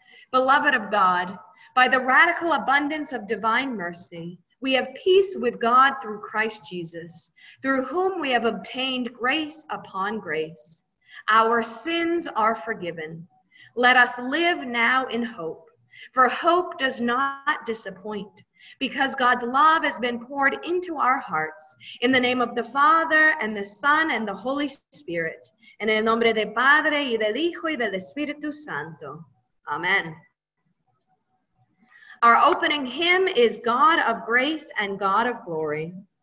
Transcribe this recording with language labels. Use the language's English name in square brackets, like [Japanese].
[English] Beloved of God, by the radical abundance of divine mercy, we have peace with God through Christ Jesus, through whom we have obtained grace upon grace. Our sins are forgiven. Let us live now in hope, for hope does not disappoint, because God's love has been poured into our hearts. In the name of the Father, and the Son, and the Holy Spirit. [Spanish] En el nombre del Padre, y del Hijo, y del Espíritu Santo. [English] Amen. Our opening hymn is God of Grace and God of Glory.